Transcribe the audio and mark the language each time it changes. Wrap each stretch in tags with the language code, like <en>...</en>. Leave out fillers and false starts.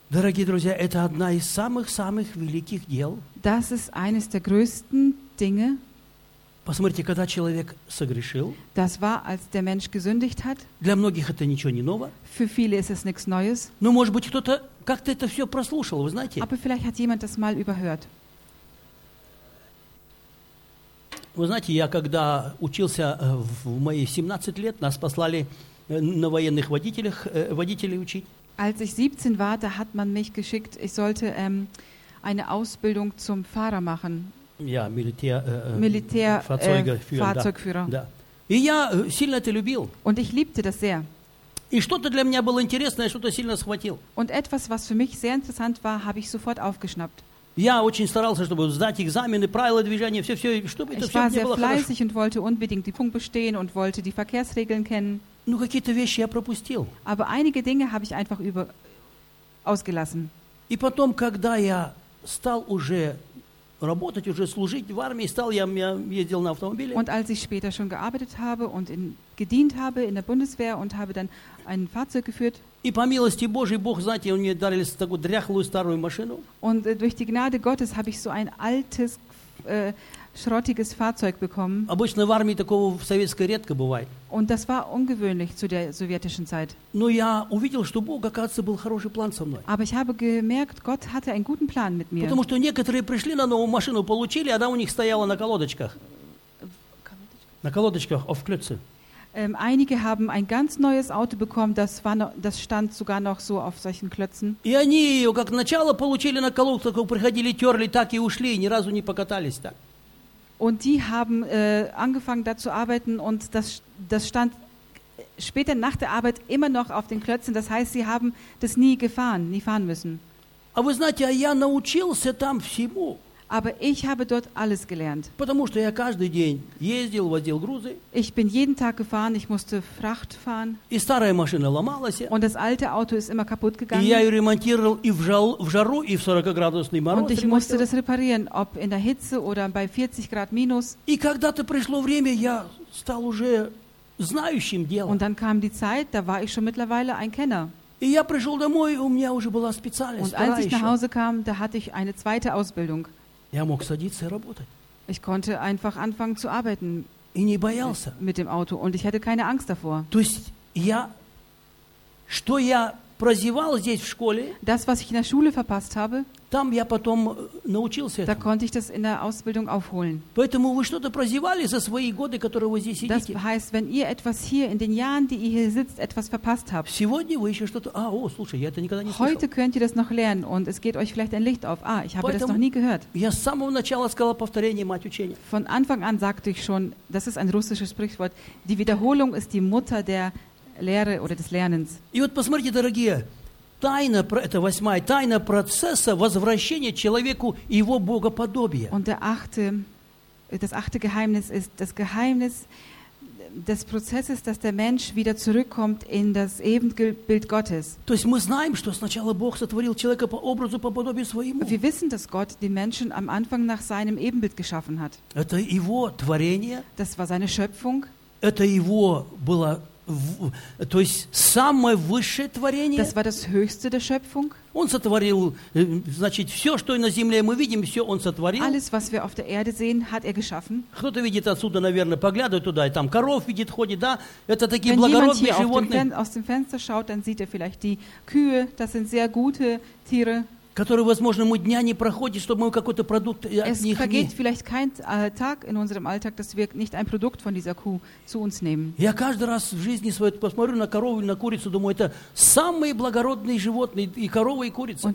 <ru>Дорогие друзья, это одна из самых-самых великих дел.</ru> <de>Das ist eines der größten Dinge.</de> <ru>Посмотрите, когда человек согрешил.</ru> <de>Das war, als der Mensch gesündigt hat.</de> <ru>Для многих это ничего не ново.</ru> <de>Für viele ist es nichts Neues.</de> <ru>Но, может быть, кто-то как-то это все прослушал, вы знаете?</ru> <de>Aber vielleicht hat jemand das mal überhört.</de> <ru>Вы знаете, я когда учился в мои 17 лет, нас послали на военных водителях водителей учить.</ru> <de>Als ich 17 war, da hat man mich geschickt, ich sollte eine Ausbildung zum Fahrer machen. Ja, Militärfahrzeugführer.</de> <ru>Да. И я сильно это любил.</ru> <de>Und ich liebte das sehr.</de> <ru>И что-то для меня было интересное, что-то сильно схватил.</ru> <de>Und etwas, was für mich sehr interessant war, habe ich sofort aufgeschnappt.</de> <ru>Я очень старался, чтобы сдать экзамены, правила движения, все-все, чтобы это все было хорошо.</ru> <de>Ich war sehr fleißig und wollte unbedingt die Punkte bestehen und wollte die Verkehrsregeln kennen.</de> <ru>Ну, какие-то вещи я пропустил.</ru> <de>Aber einige Dinge habe ich einfach ausgelassen.</de> <ru>И потом, когда я стал уже работать, уже служить в армии, стал я ездил на автомобиле.</ru> <de>Und als ich später schon gearbeitet habe und gedient habe in der Bundeswehr und habe dann ein Fahrzeug geführt.</de> <ru>И по милости Божией, Бог, знаете, мне дали такую дряхлую старую машину.</ru> <de>Und durch die Gnade Gottes habe ich so ein altes, schrottiges Fahrzeug bekommen.</de> <ru>Обычно в армии такого в советской редко бывает.</ru> <de>Und das war ungewöhnlich zu der sowjetischen Zeit.</de> <ru>Но я увидел, что Бог, оказывается, был хороший план со мной.</ru> <de>Aber ich habe gemerkt, Gott hatte einen guten Plan mit mir.</de> <ru>Потому что некоторые пришли на новую машину, получили, а она у них стояла на колодочках. На колодочках,</ru> <de>auf Klötze. Einige haben ein ganz neues Auto bekommen, das war noch, das stand sogar noch so auf solchen Klötzen.</de> <ru>И они ее как начало получили на колодках, приходили, терли, так и ушли, ни разу не покатались так.</ru> <de>Und die haben angefangen da zu arbeiten und das stand später nach der Arbeit immer noch auf den Klötzen. Das heißt, sie haben das nie fahren müssen.</de> <ru>А вы знаете, я научился там всему.</ru> <de>Aber ich habe dort alles gelernt.</de> <ru>Потому что я каждый день ездил, возил грузы.</ru> <de>Ich bin jeden Tag gefahren, ich musste Fracht fahren.</de> <ru>И старая машина ломалась.</ru> <de>Und das alte Auto ist immer kaputt gegangen.</de> <ru>И я ее ремонтировал и в жару, и в 40-градусный мороз.</ru> <de>Und ich musste das reparieren, ob in der Hitze oder bei 40 Grad minus.</de> <ru>И когда-то пришло время, я стал уже знающим дело.</ru> <de>Und dann kam die Zeit, da war ich schon mittlerweile ein Kenner.</de> <ru>И я пришел домой, у меня уже была специальность.</ru> <de>Und als ich nach Hause kam, da hatte ich eine zweite Ausbildung.</de> <ru>Я мог садиться и работать.</ru> <de>Ich konnte einfach anfangen zu arbeiten.</de> <ru>И не боялся.</ru> <de>Mit dem Auto. Und ich hatte keine Angst davor.</de> <ru>То есть я, что я прозевал здесь в школе,</ru> <de>das, was ich in der Schule verpasst habe,</de> <ru>там я потом научился этому.</ru> <de>Da konnte ich das in der Ausbildung aufholen.</de> <ru>Поэтому вы что-то прозевали за свои годы, которые вы здесь сидите.</ru> <de>Das heißt, wenn ihr etwas hier in den Jahren, die ihr hier sitzt, etwas verpasst habt.</de> <ru>Сегодня вы еще что-то, а, о, слушай, я это никогда не слышал.</ru> <de>Heute könnt ihr das noch lernen und es geht euch vielleicht ein Licht auf. Ah, ich habe das noch nie gehört.</de> <ru>Я с самого начала сказал повторение мать учения.</ru> <de>Von Anfang an sagte ich schon, das ist ein russisches Sprichwort, die Wiederholung ist die Mutter der Lehre oder des Lernens.</de> <ru>И вот посмотрите, дорогие, тайна, это восьмая тайна процесса возвращения человеку его богоподобия.</ru> <de>Und der achte, das achte Geheimnis ist das Geheimnis des Prozesses, dass der Mensch wieder zurückkommt in das Ebenbild Gottes.</de> <ru>То есть мы знаем, что сначала Бог сотворил человека по образу, по подобию своему.</ru> <de>Wir wissen, dass Gott den Menschen am Anfang nach seinem Ebenbild geschaffen hat.</de> <ru>Это его творение.</ru> <de>Das war seine Schöpfung.</de> <ru>Это его было. То есть самое высшее творение.</ru> <de>Das war das höchste der Schöpfung.</de> <ru>Он сотворил, значит, все, что на земле мы видим, все он сотворил.</ru> <de>Alles, was wir auf der Erde sehen, hat er geschaffen.</de> <ru>Кто-то видит отсюда, наверное, поглядывает туда, и там коров видит, ходит, да? Это такие</ru> <de>Wenn</de> <ru>благородные</ru> <de>jemand hier</de> <ru>животные.</ru> <de>Aus dem Fenster schaut, dann sieht er vielleicht die Kühe. Das sind sehr gute Tiere.</de> <ru>Которые, возможно, мы дня не проходим, чтобы мы какой-то продукт от</ru> <de>es</de> <ru>них</ru> <de>vergeht</de> <ru>не...</ru> <de>vielleicht kein Tag in unserem Alltag, dass wir nicht ein Produkt von dieser Kuh zu uns nehmen.</de> <ru>Я каждый раз в жизни своей посмотрю на корову или на курицу, думаю, это самые благородные животные, и корова, и курица.</ru>